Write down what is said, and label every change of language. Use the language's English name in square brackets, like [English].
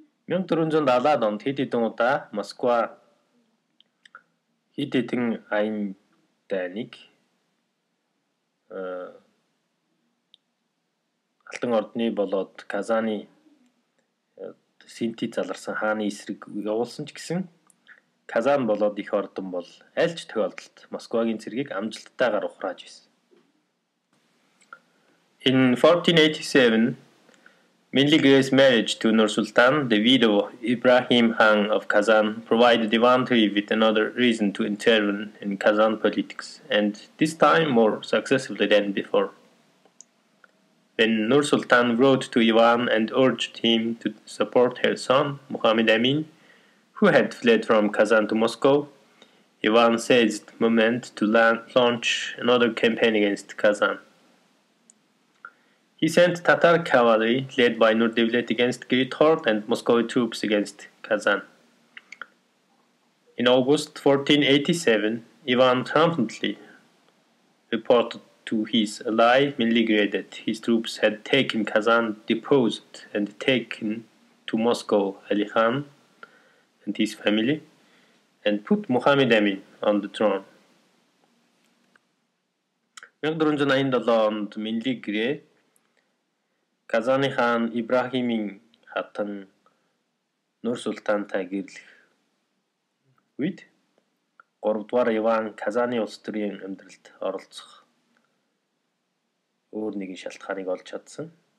[Mongolian] 1470-ад онд хэд хэдэн удаа Москва хэд хэдэн аян дайныг Алтан ордны болоод Казани синти заларсан хааны эсрэг явуулсан ч гэсэн Казан болоод их ордон бол аль ч тохиолдолд Москвагийн цэргийг амжилттайгаар ухрааж байсан. [English] In 1487, Менгли Гирей's marriage to Nur Sultan, the widow of Ibrahim Khan of Kazan, provided Ivanti with another reason to intervene in Kazan politics, and this time more successfully than before. When Nur Sultan wrote to Ivan and urged him to support her son, Muhammad Amin, who had fled from Kazan to Moscow, Ivan seized the moment to launch another campaign against Kazan. He sent Tatar cavalry led by Nur Dewlet against Great Horde and Muscovy troops against Kazan. In August 1487, Ivan triumphantly reported to his ally Menli Gire that his troops had taken Kazan, deposed and taken to Moscow Ali Khan and his family, and put Muhammad Amin on the throne. [Mongolian] 1487-д Менли Гирей Казани хаан Ибрахимийн хатан Нур Султантай гэрлэх үед 3-р Иван Казани улс төрийн амьдралд оролцох өөр нэгэн шалтгааныг олж чадсан.